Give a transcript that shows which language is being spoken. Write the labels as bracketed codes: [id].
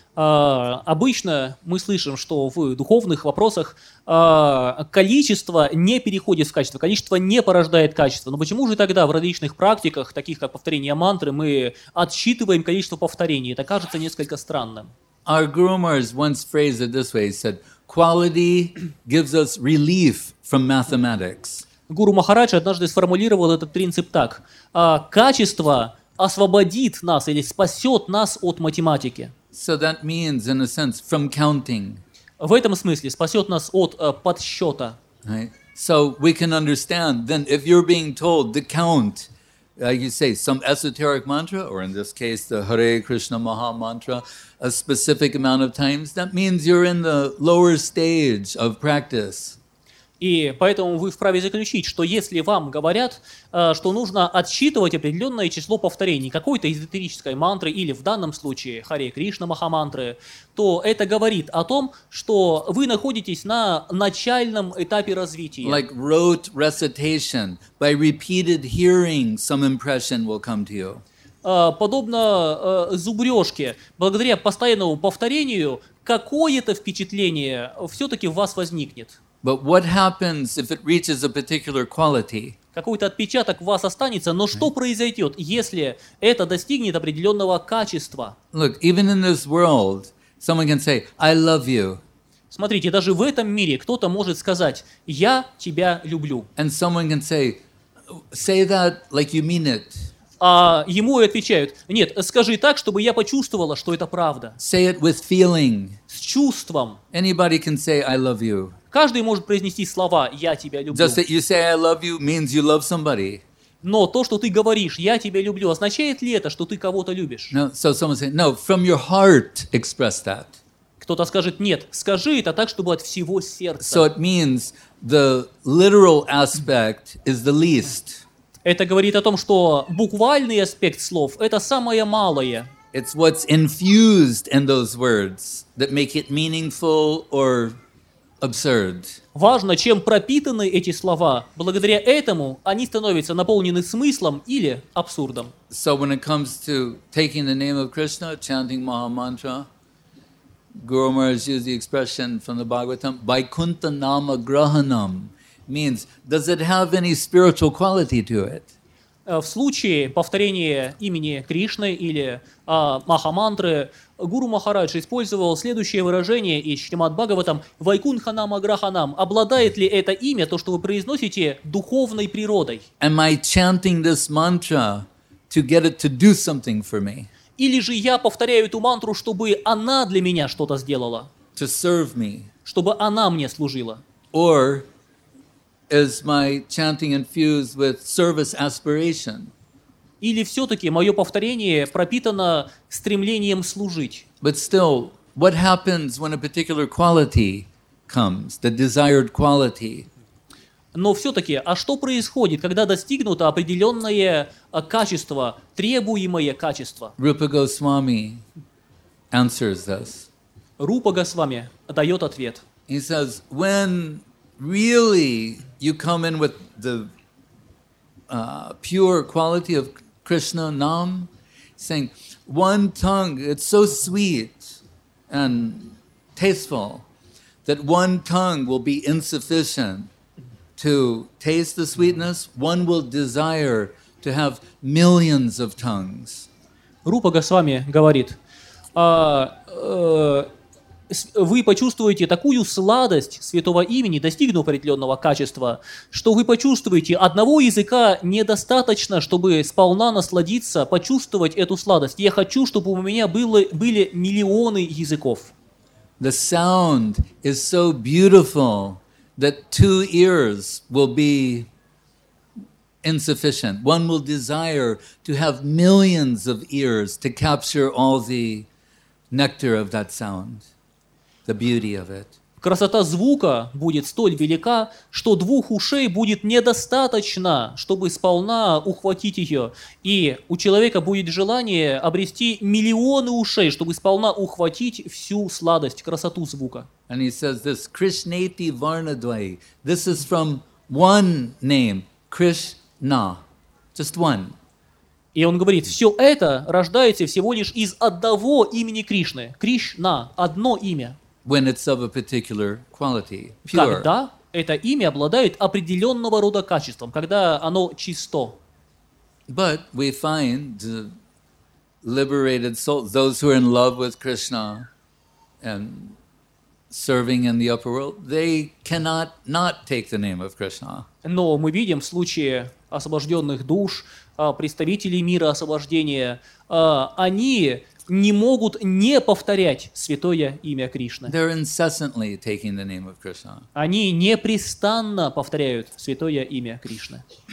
[ru] Обычно мы слышим, что в духовных вопросах количество не переходит в качество, количество не порождает качество. Но почему же тогда в различных практиках, таких как повторение мантры, мы отсчитываем количество повторений? Это кажется несколько странным. [en] Our groomers once phrased it this way. He said, quality gives us relief from mathematics. [ru] Гуру Махарадж однажды сформулировал этот принцип так. Качество освободит нас или спасет нас от математики. [en] So that means, in a sense, from counting. [ru] В этом смысле спасет нас от подсчета. [en] Right. So we can understand, then if you're being told to count, like you say, some esoteric mantra, or in this case, the Hare Krishna Maha mantra, a specific amount of times, that means you're in the lower stage of practice. [ru] И поэтому вы вправе заключить, что если вам говорят, что нужно отсчитывать определенное число повторений какой-то эзотерической мантры или в данном случае Харе Кришна Махамантры, то это говорит о том, что вы находитесь на начальном этапе развития. [en] Like rote recitation, by repeated hearing, some impression will come to you. [ru] Подобно зубрежке, благодаря постоянному повторению, какое-то впечатление все-таки в вас возникнет. [en] But what happens if it reaches a particular quality? [ru] Какой-то отпечаток у вас останется, но что произойдет, если это достигнет определенного качества? [en] Look, even in this world, someone can say, "I love you." [ru] Смотрите, даже в этом мире кто-то может сказать, "Я тебя люблю." [en] And someone can say, "Say that like you mean it." [ru] А ему отвечают, нет, скажи так, чтобы я почувствовала, что это правда. [en] Say it with feeling. [ru] С чувством. [en] Anybody can say, "I love you." [ru] Каждый может произнести слова «я тебя люблю». [en] Just that you say I love you means you love somebody. [ru] Но то, что ты говоришь «я тебя люблю», означает ли это, что ты кого-то любишь? [en] No, so someone say, no, from your heart express that. [ru] Кто-то скажет «нет, скажи это так, чтобы от всего сердца». [en] So it means the literal aspect is the least. [ru] Это говорит о том, что буквальный аспект слов – это самое малое. [en] It's what's infused in those words that make it meaningful or absurd. [ru] Важно, чем пропитаны эти слова. Благодаря этому они становятся наполнены смыслом или абсурдом. [en] So when it comes to taking the name of Krishna, chanting Maha Mantra, Guru Maharaj used the expression from the Bhagavatam, [sa] Vaikuntha Nama Grahanam, [en] means, does it have any spiritual quality to it? [ru] в случае повторения имени Кришны или Махамантры, Гуру Махарадж использовал следующее выражение из Шримад-Бхагаватам: [sa] «Вайкунханам Аграханам». [ru] Обладает ли это имя, то, что вы произносите, духовной природой? [en] Am I chanting this mantra to get it to do something for me? [ru] Или же я повторяю эту мантру, чтобы она для меня что-то сделала? [en] To serve me. [ru] Чтобы она мне служила. [en] Or is my chanting infused with service aspiration? [ru] Или все-таки мое повторение пропитано стремлением служить? [en] But still, what happens when a particular quality comes, the desired quality? [ru] Но все-таки, а что происходит, когда достигнуто определенное качество, требуемое качество? [en] Rupa Goswami answers this. [ru] Рупа Госвами дает ответ. [en] He says, when really you come in with the pure quality of Krishna Nam, saying, one tongue, it's so sweet and tasteful that one tongue will be insufficient to taste the sweetness, one will desire to have millions of tongues. [ru] Рупа Госвами говорит, вы почувствуете такую сладость святого имени, достигнув определенного качества, что вы почувствуете, одного языка недостаточно, чтобы сполна насладиться, почувствовать эту сладость. Я хочу, чтобы у меня были миллионы языков. [en] The sound is so beautiful that two ears will be insufficient. One will desire to have millions of ears to capture all the nectar of that sound, the beauty of it. [ru] Красота звука будет столь велика, что двух ушей будет недостаточно, чтобы сполна ухватить ее. И у человека будет желание обрести миллионы ушей, чтобы сполна ухватить всю сладость, красоту звука. [en] And he says this, [sa] Krishneti Varnadvai. [en] This is from one name, Krishna. Just one. [ru] И он говорит, все это рождается всего лишь из одного имени Кришны. Кришна, одно имя. [en] When it's of a particular quality, pure. [ru] Когда это имя обладает определенного рода качеством, когда оно чисто. [en] But we find the liberated souls, those who are in love with Krishna and serving in the upper world, they cannot not take the name of Krishna. [ru] Но мы видим в случае освобожденных душ, представителей мира освобождения, они не могут не повторять святое имя Кришны. [en] They're incessantly taking the name of Krishna. [ru] Они непрестанно повторяют святое имя Кришны.